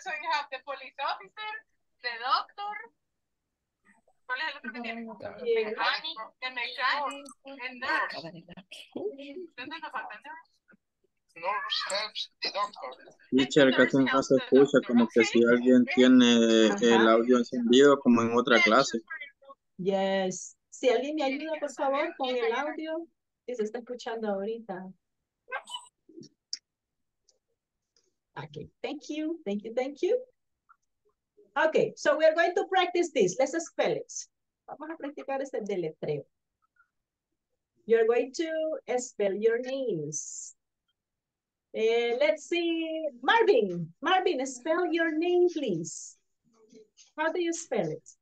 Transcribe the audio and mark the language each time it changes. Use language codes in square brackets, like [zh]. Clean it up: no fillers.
[en] So you have the police officer, the doctor. [es] Teacher, casi no se escucha, como que si alguien tiene el audio encendido, como en otra clase. [en] Yes. [es] Si alguien me ayuda, por favor, con el audio, si se está escuchando ahorita. [en] Okay, thank you. Okay, so we are going to practice this. Let's spell it. [es] Vamos a practicar este deletreo. [en] You're going to spell your names. Let's see, Marvin, spell your name, please. How do you spell it?